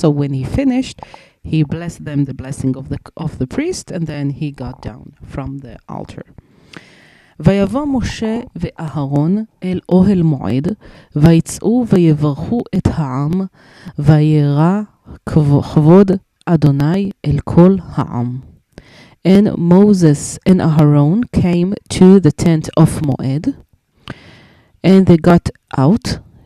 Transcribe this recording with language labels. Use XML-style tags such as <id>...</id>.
<en>So when he finished, he blessed them, the blessing of the priest, and then he got down from the altar.</en> <he>ויבוא משה ואהרון אל אוהל מועד, ויצאו ויברכו את העם, ויירא כבוד אדוני אל כל העם.</he> <en>And Moses and Aharon came to the tent of Moed, and they got out.</en>